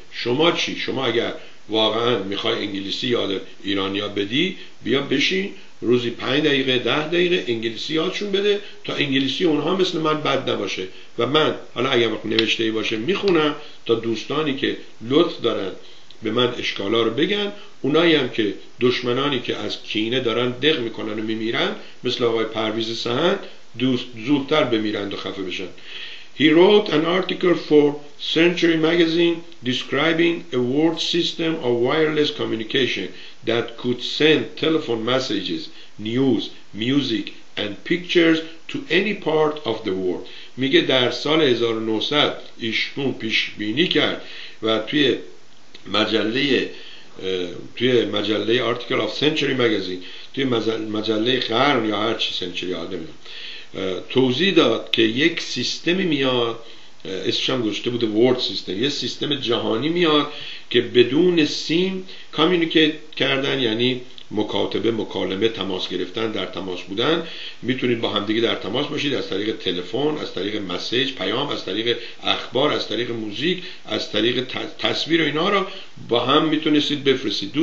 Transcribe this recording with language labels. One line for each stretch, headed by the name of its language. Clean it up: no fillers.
Persian: شما چی؟ شما اگر واقعا میخوای انگلیسی یاد ایرانیا بدی، بیا بشین روزی 5 دقیقه 10 دقیقه انگلیسی یادشون بده تا انگلیسی اونها مثل من بد نباشه. و من حالا اگر نوشته‌ای باشه میخونم تا دوستانی که لطف دارن به من اشکالا رو بگن، اونایی هم که دشمنانی که از کینه دارن دق میکنن و میمیرن مثل آقای پرویز سهند زودتر بمیرند و خفه بشن.
English: He wrote an article for Century Magazine describing a world system of wireless communication that could send telephone messages, news, music and pictures to any part of the world.
Persian: میگه در سال 1900 ایشون پیش بینی کرد و توی مجله Article of Century Magazine، توی مجله قرن یا هر چی سنچری آدمی، توضیح داد که یک سیستمی میاد، اسمش هم گذاشته بوده World System، یک سیستم جهانی میاد که بدون سیم کامیونیکیت کردن، یعنی مکاتبه، مکالمه، تماس گرفتن، در تماس بودن، میتونید با همدیگه در تماس باشید از طریق تلفن، از طریق مسیج، پیام، از طریق اخبار، از طریق موزیک، از طریق تصویر و اینا رو با هم میتونستید بفرستید.